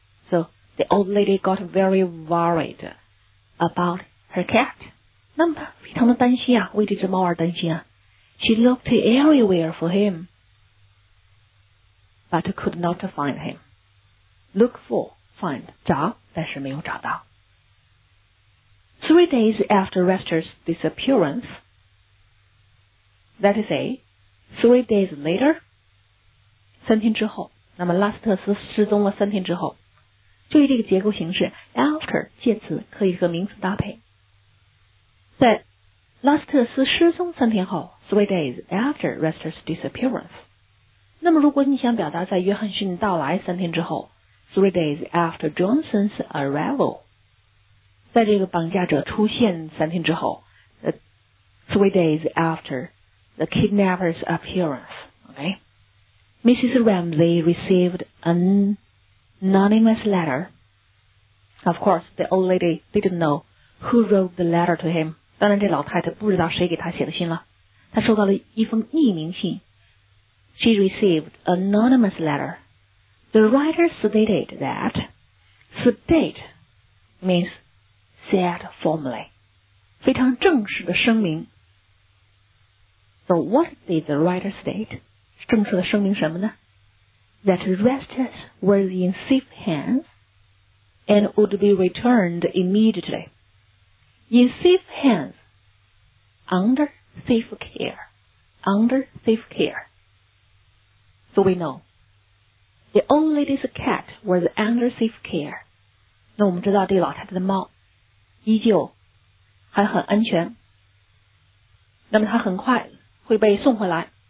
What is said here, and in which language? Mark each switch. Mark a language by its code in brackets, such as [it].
[en] So the old lady got very worried about her cat. [zh] 那么她非常的担心啊，为这只猫而担心啊。 [en] She looked everywhere for him, but could not find him. Look for. Find, [zh] 找，但是没有找到。 [en] 3 days after Rester's disappearance, that is a 3 days later, [zh] 三天之后，那么拉斯特斯失踪了三天之后，注意这个结构形式 after 介词可以和名词搭配。在拉斯特斯失踪三天后 [en] 3 days after Rester's disappearance, [zh] 那么如果你想表达在约翰逊到来三天之后， [en] 3 days after Johnson's arrival, [zh] 在这个绑架者出现三天之后 [en] 3 days after the kidnapper's appearance, Ramsey. Mrs. Ramsey received an anonymous letter. Of course, the old lady didn't know who wrote the letter to him. [zh] 当然这老太太不知道谁给她写的信了。她收到了一封匿名信。 [en] She received an anonymous letter. The writer stated that, state means said formally. [zh] 非常正式的声明。 [en] So what did the writer state? [zh] 正式的声明什么呢 [en] ?That the rests were in safe hands and would be returned immediately. In safe hands, under safe care, under safe care. So we know, the old lady's cat was under safe care. [zh] 那我们知道这老太太的猫依旧还很安全。那么她很快会被送回来。